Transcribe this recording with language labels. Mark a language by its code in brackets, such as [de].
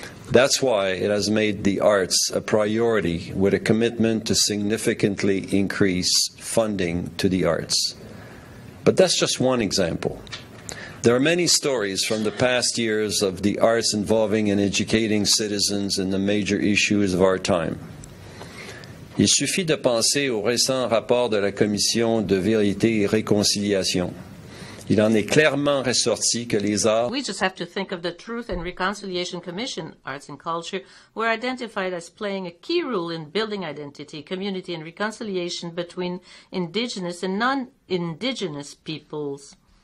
[en] That's why it has made the arts a priority with a commitment to significantly increase funding to the arts. But that's just one example. There are many stories from the past years of the arts involving and educating citizens in the major issues of our time. [fr] Il suffit de penser au récent rapport de la Commission de vérité et réconciliation. Il en est clairement ressorti que les arts... [en] We just have to think of the Truth and Reconciliation Commission. Arts and culture were identified as playing a key role in building identity, community and reconciliation between indigenous and non-indigenous peoples.